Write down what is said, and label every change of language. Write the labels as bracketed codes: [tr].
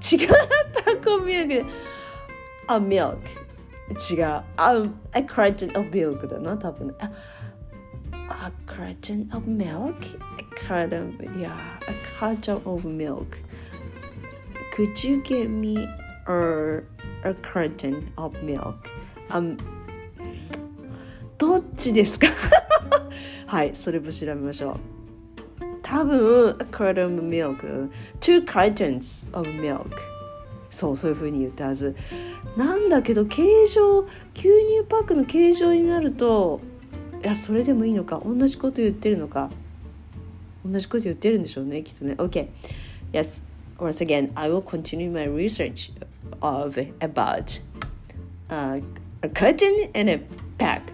[ja] 違う、パックオブミルク、 A milk 違う、 [en] A carton of milk [ja] だな多分。 [en] A carton of milk? A carton of, yeah, a carton of milk。 Could you get me a carton of milk? [ja] どっちですか？はい、それも調べましょう。多分 [en] a carton of milk、 two cartons of milk。 [ja] そう、そういう風に言ったはずなんだけど、形状、牛乳パックの形状になると、いや、それでもいいのか、同じこと言ってるのか、同じこと言ってるんでしょうね、きっとね。 [en] OK、 YesOnce again, I will continue my research of about a curtain and a pack.